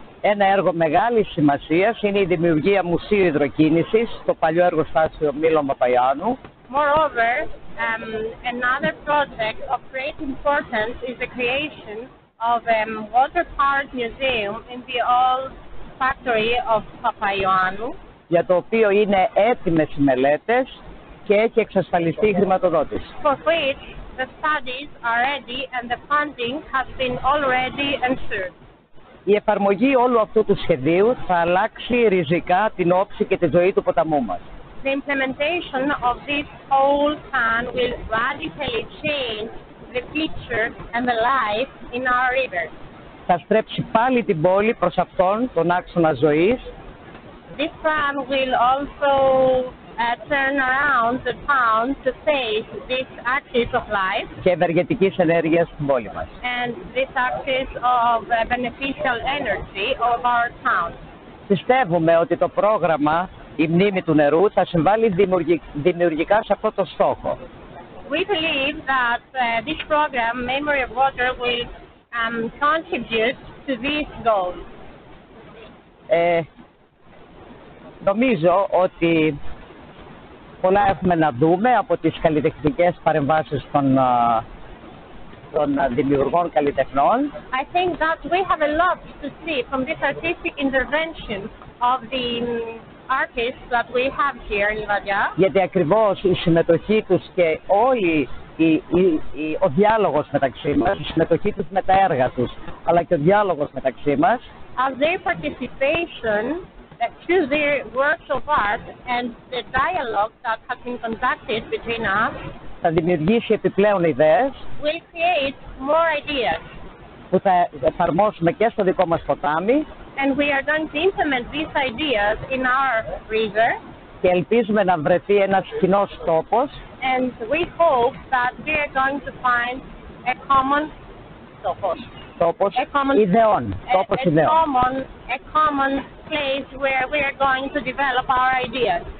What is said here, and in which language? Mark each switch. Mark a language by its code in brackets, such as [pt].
[el] Ένα έργο μεγάλης σημασίας είναι η δημιουργία Μουσείου Υδροκίνησης στο παλιό εργοστάσιο Μήλων Παπαγιάννου. [en] Moreover, another project of great importance is the creation of a water park museum in the old factory of Papaioannou. [el] Για το οποίο είναι έτοιμες οι μελέτες και έχει εξασφαλιστεί η χρηματοδότηση. [en] For which the studies are ready and the funding has been already ensured. [el] Η εφαρμογή όλου αυτού του σχεδίου θα αλλάξει ριζικά την όψη και τη ζωή του ποταμού μας. [en] The implementation of this whole plan will radically change the future and the life in our river. [el] Θα στρέψει πάλι την πόλη προς αυτόν τον άξονα ζωής. [en] This plan will also turn around the town to face this axis of life [el] και ευεργετικής ενέργειας στην πόλη μας. [en] And this axis of beneficial energy of our town. [el] Πιστεύουμε ότι το πρόγραμμα «Η μνήμη του νερού» θα συμβάλλει δημιουργικά σε αυτό το στόχο. [en] We believe that this program, Memory of Water, will contribute to this goal. [el] Νομίζω ότι πολλά έχουμε να δούμε από τις καλλιτεχνικές παρεμβάσεις των δημιουργών καλλιτεχνών. [en] I think that we have a lot to see from this artistic intervention of the artists that we have here in Levadia. [el] Γιατί ακριβώς η συμμετοχή τους και όλη ο διάλογος μεταξύ μας, η συμμετοχή τους με τα έργα τους, αλλά και ο διάλογος μεταξύ μας. [en] As their participation to their works of art and the dialogue that has been conducted between us [el] θα δημιουργήσει επιπλέον ιδέες [en] will create more ideas [el] που θα εφαρμόσουμε και στο δικό μας ποτάμι [en] and we are going to implement these ideas in our river [el] και ελπίζουμε να βρεθεί ένας κοινός τόπος [en] and we hope that we are going to find a common τόπος. A common place where we are going to develop our ideas.